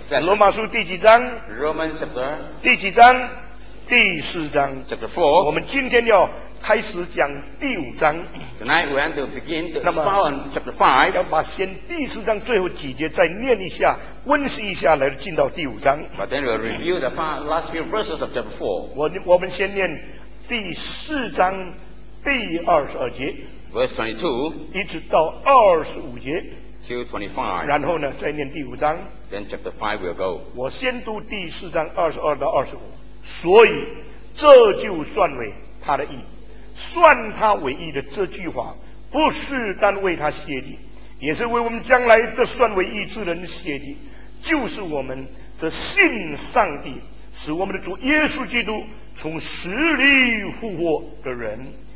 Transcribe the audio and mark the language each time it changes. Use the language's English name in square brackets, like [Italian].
[Chinese] 罗马书第几章？ [English] Roman chapter [Chinese] 第几章？第四章。 [English] Chapter 4. [Chinese] 我们今天要开始讲第五章。 [English] Tonight we want to begin to start on chapter 5. [Chinese] 要把先第四章最后几节再念一下，温习一下，来进到第五章。 [English] But then we'll review the last few verses of chapter 4. [Chinese] 我们先念第四章第二十二节。 [English] Verse 22, [Chinese] 一直到二十五节 [English] till 25, [Chinese] 然后呢再念第五章。 [English] Then chapter 5 will go. [Chinese] 我先读第四章二十二到二十五。所以这就算为他的义，算他为义的这句话不是单为他写的，也是为我们将来的算为义之人写的，就是我们这信上帝使我们的主耶稣基督从死里复活的人。